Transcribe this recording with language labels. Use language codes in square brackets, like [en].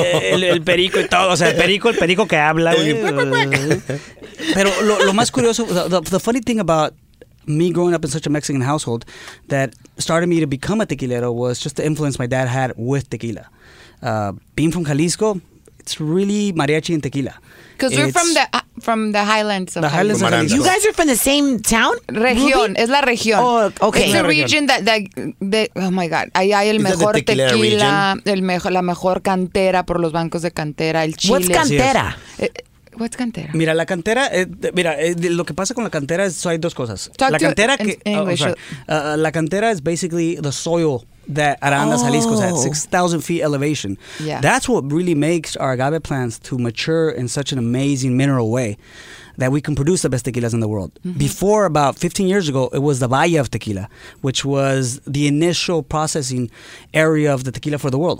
[es] El perico y todo. O sea, el perico que habla. Pero lo más curioso, [en] the funny thing about me growing up in such a Mexican household that started me to become a tequilero was just the influence my dad had with tequila. Being from Jalisco, It's really mariachi and tequila. Because we're from the highlands. Of the highlands. You guys are from the same town? [es] Región. Es la región. [en] Oh, okay. It's the region that oh, my God. [es] Ahí hay el mejor tequila, la mejor cantera por los bancos de cantera, el chile. [en] What's cantera? What's cantera? [es] Mira, la cantera, lo que pasa con la cantera es hay dos cosas. [en] Talk [es] la cantera [en] to, que, English, oh, sorry. La cantera is basically the soil that Arandas, Jalisco, is at 6,000 feet elevation. Yeah. That's what really makes our agave plants to mature in such an amazing mineral way that we can produce the best tequilas in the world. Mm-hmm. Before, about 15 years ago, it was the Valle of Tequila, which was the initial processing area of the tequila for the world.